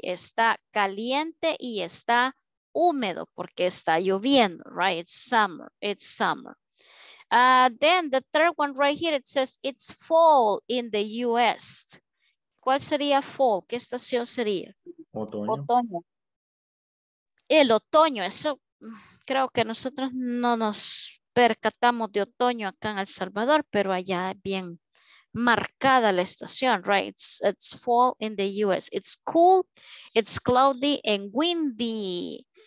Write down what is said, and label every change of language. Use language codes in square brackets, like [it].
[es] Está caliente y está húmedo porque está lloviendo, [en] right? It's summer. Then the third one right here, it says it's fall in the U.S. [es] ¿Cuál sería fall? ¿Qué estación sería? Otoño. El otoño, eso creo que nosotros no nos percatamos de otoño acá en El Salvador, pero allá es bien marcada la estación, [en] right? It's fall in the U.S. It's cool, it's cloudy and windy.